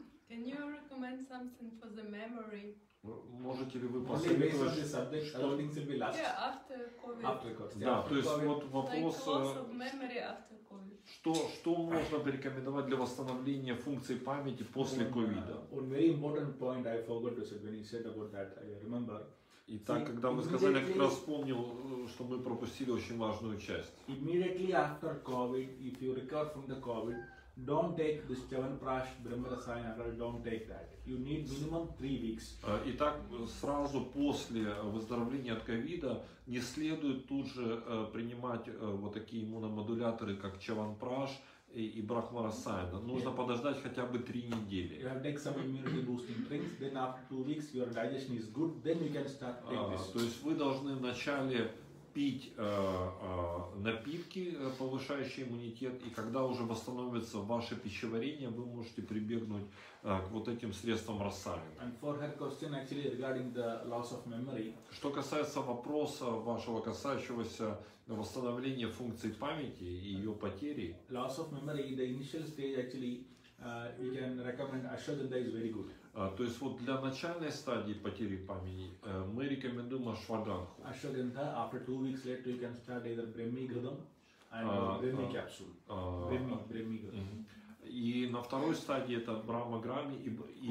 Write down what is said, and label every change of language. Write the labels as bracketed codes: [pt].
[en] Can you recommend something for the memory? [ru] Можете ли вы посоветовать, что... [en] After COVID. [ru] Да, то есть вот вопрос... [en] Like loss of memory after COVID. [ru] Что можно порекомендовать для восстановления функции памяти после COVID? [en] On very important point, I forgot to say, when you said about that, I remember. [ru] Итак, когда вы сказали, я как раз вспомнил, что мы пропустили очень важную часть. [en] Immediately after COVID, if you recover from the COVID, don't take this Chyawanprash, Brahmarasayana, don't take that. You need minimum 3 weeks. [ru] Итак, сразу после выздоровления от ковида не следует тут же принимать вот такие иммуномодуляторы, как Chyawanprash, и брахмарасайна. Нужно подождать хотя бы 3 недели. [en] You have taken some immunity boosting drinks, then after 2 weeks your digestion is good, then you can start taking this. [ru] То есть вы должны вначале пить напитки, повышающие иммунитет, и когда уже восстановится ваше пищеварение, вы можете прибегнуть к вот этим средствам рассайна. [en] And for her question actually regarding the loss of memory. [ru] Что касается вопроса вашего, касающегося восстановления функций памяти и ее потери. [en] Loss of memory in the initial stage actually we can recommend ashwagandha is very good. [ru] То есть вот для начальной стадии потери памяти мы рекомендуем ашваганху. [en] Ashwagandha after 2 weeks later you can start either Brahmi Ghridam and Brahmi capsule. Brahmi [ru] И на второй стадии это Брахма Грами и